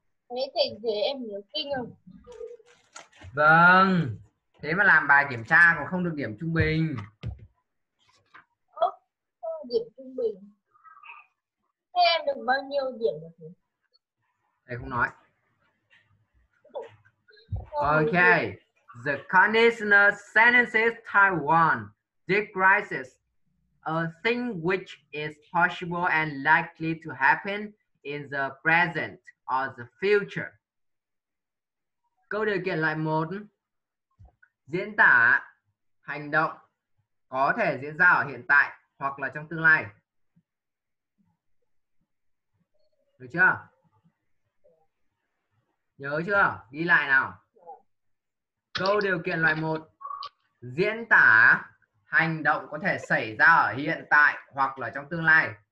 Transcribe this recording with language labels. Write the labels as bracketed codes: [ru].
[vi] Thế thì dễ, em nhớ kinh không? Vâng. Thế mà làm bài kiểm tra còn không được điểm trung bình. Điểm trung bình. Thế em được bao nhiêu điểm được Đây không nói. không? Ok. [en] The conditional sentences Taiwan describes a thing which is possible and likely to happen in the present or the future. [vi] Câu điều kiện loại 1 diễn tả hành động có thể diễn ra ở hiện tại hoặc là trong tương lai. Được chưa? Nhớ chưa? Ghi lại nào. Câu điều kiện loại 1 diễn tả hành động có thể xảy ra ở hiện tại hoặc là trong tương lai.